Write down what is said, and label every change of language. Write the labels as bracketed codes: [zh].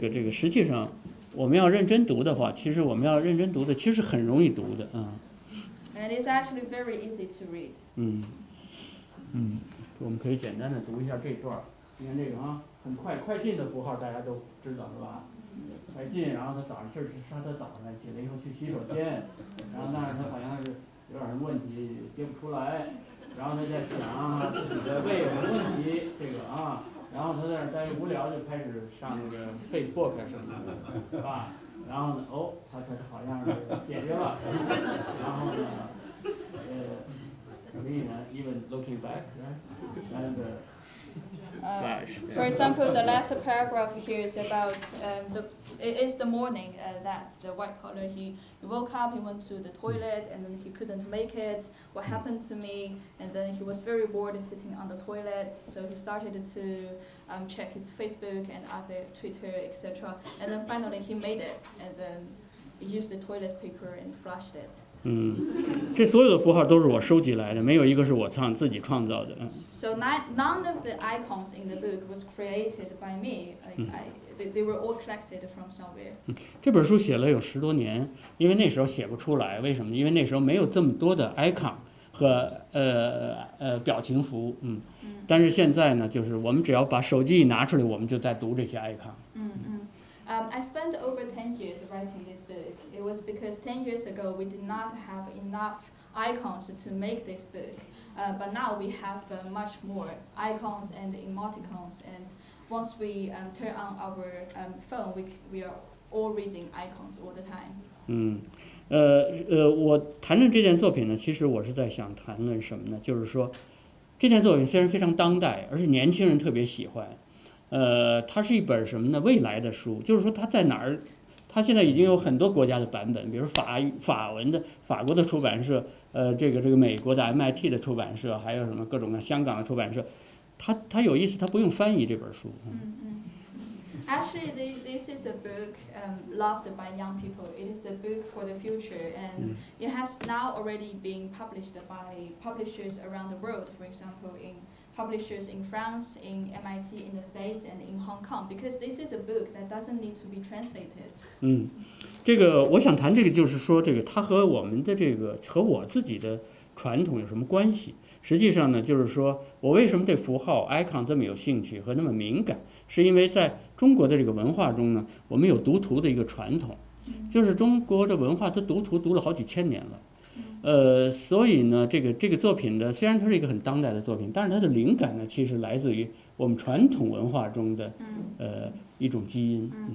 [zh] 实际上，我们要认真读的话，其实我们要认真读的，其实很容易读的， [en] And it's actually very easy to read. [zh] 我们可以简单的读一下这段，你看这个啊，很快，快进的符号大家都知道是吧？快进，然后他早上这是杀他早上起来以后去洗手间，然后那儿他好像是有点问题憋不出来，然后他在想自己的胃有什么问题这个啊，然后他在那儿待无聊就开始上那个 Facebook 什么的，是吧？然后呢，哦，他好像是解决了，然后呢，所以呢 ， [en] even looking back， right， and。 For example, the last paragraph here is about it is the morning that the white collar he woke up, he went to the toilet, and then he couldn't make it. What happened to me? And then he was very bored sitting on the toilet, so he started to check his Facebook and other Twitter, etc. And then finally he made it, and then he used the toilet paper and flushed it. [zh] 这所有的符号都是我收集来的，没有一个是我自己创造的。 [en] So none of the icons in the book was created by me. They were all collected from somewhere. [zh] 这本书写了有十多年，因为那时候写不出来，为什么？因为那时候没有这么多的 icon 和表情符。但是现在呢，就是我们只要把手机一拿出来，我们就在读这些 icon。 [en] I spent over 10 years writing this book. It was because 10 years ago we did not have enough icons to make this book. But now we have much more icons and emoticons. And once we turn on our phone, we are all reading icons all the time. [zh] 我谈论这件作品呢，其实我是在想谈论什么呢？就是说，这件作品虽然非常当代，而且年轻人特别喜欢。它是一本什么呢？未来的书，就是说它在哪儿？它现在已经有很多国家的版本，比如法文的法国的出版社，这个美国的 MIT 的出版社，还有什么各种各香港的出版社，它有意思，它不用翻译这本书。 [en] Actually, this is a book loved by young people. It is a book for the future, and it has now already been published by publishers around the world. For example, in publishers in France, in MIT in the States, and in Hong Kong, because this is a book that doesn't need to be translated. [zh] 这个我想谈这个，就是说这个它和我们的这个和我自己的传统有什么关系？实际上呢，就是说我为什么对符号 icon 这么有兴趣和那么敏感，是因为在中国的这个文化中呢，我们有读图的一个传统，就是中国的文化都读图读了好几千年了，所以呢，这个作品的虽然它是一个很当代的作品，但是它的灵感呢，其实来自于我们传统文化中的一种基因。